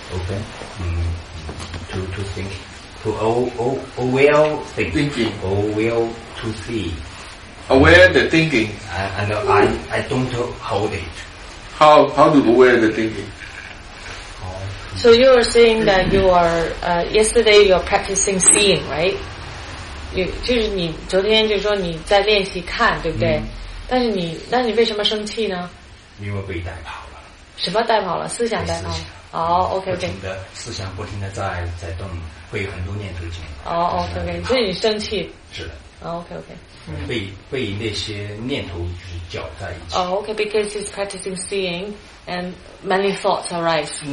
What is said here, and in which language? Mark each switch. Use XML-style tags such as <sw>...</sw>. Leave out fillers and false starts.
<en>Open. To think. To aware thinking. Aware to see. Aware the thinking. And I don't hold it. How do you wear the thinking? So you are saying that you are, yesterday you are practicing seeing, right?</en> <zh>就是你昨天就说你在练习看，对不对？但是你为什么生气呢？因为被带跑了。什么带跑了？思想带跑了。哦 ,OK, 不停的思想不停的在动，会有很多念头进来。哦 ,OK, 所以你生气。是的。 OK, OK. 被那些念头就是搅在一起。</zh> <en>Oh, OK, because he's practicing seeing and many thoughts arise.</en>